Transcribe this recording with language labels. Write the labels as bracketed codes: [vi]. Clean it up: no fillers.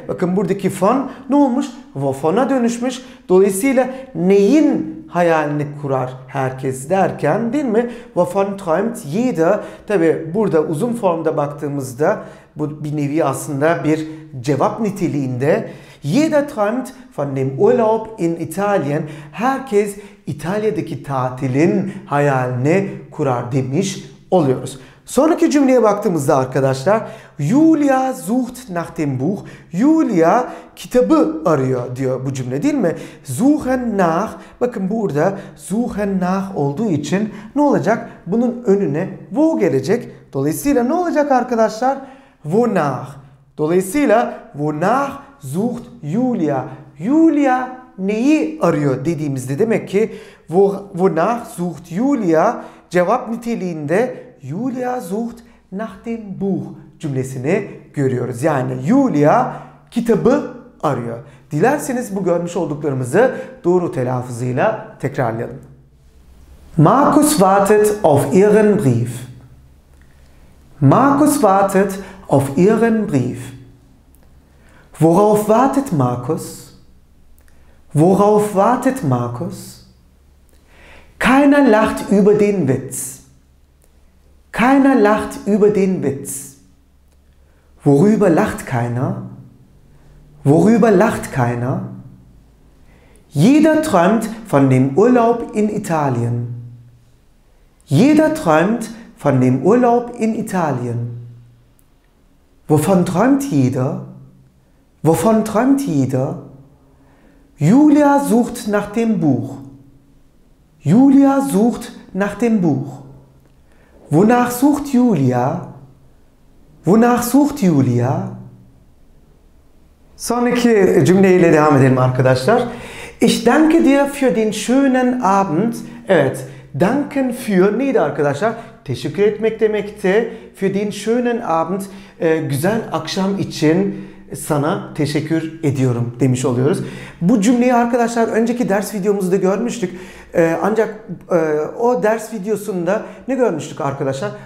[tr] Bakın buradaki von ne olmuş? Wovon'a dönüşmüş. Dolayısıyla neyin hayalini kurar herkes derken, değil mi? [de] Wovon träumt jeder. [tr] Tabi burada uzun formda baktığımızda bu bir nevi aslında bir cevap niteliğinde. [de] Jeder träumt von dem Urlaub in Italien. [tr] Herkes İtalya'daki tatilin hayalini kurar demiş oluyoruz. Sonraki cümleye baktığımızda arkadaşlar, [de] Julia sucht nach dem Buch. [tr] Julia kitabı arıyor diyor bu cümle, değil mi? [de] Suchen nach, [tr] bakın burada [de] suchen nach [tr] olduğu için ne olacak? Bunun önüne wo gelecek. Dolayısıyla ne olacak arkadaşlar? Wonach. Dolayısıyla [de] wonach sucht Julia. [tr] Julia neyi arıyor dediğimizde demek ki [de] wonach sucht Julia [tr] cevap niteliğinde [de] Julia sucht nach dem Buch [tr] cümlesini görüyoruz. Yani Julia kitabı arıyor. Dilerseniz bu görmüş olduklarımızı doğru telaffuzuyla tekrarlayalım. [de] Markus wartet auf ihren Brief. Markus wartet auf ihren Brief. Worauf wartet Markus? Worauf wartet Markus? Keiner lacht über den Witz. Keiner lacht über den Witz. Worüber lacht keiner? Worüber lacht keiner? Jeder träumt von dem Urlaub in Italien. Jeder träumt von dem Urlaub in Italien. Wovon träumt jeder? Wovon träumt jeder? Julia sucht nach dem Buch. Julia sucht nach dem Buch. Wonach sucht Julia? Wonach sucht Julia? [tr] Sonnige cümleyle devam edelim arkadaşlar. [de] Ich danke dir für den schönen Abend. [tr] Evet, [de] danken für [tr] neydi arkadaşlar? Teşekkür etmek demekti. [de] Für den schönen Abend, [tr] güzel akşam için sana teşekkür ediyorum demiş oluyoruz. Bu cümleyi arkadaşlar önceki ders videomuzda görmüştük. Ancak o ders videosunda ne görmüştük arkadaşlar?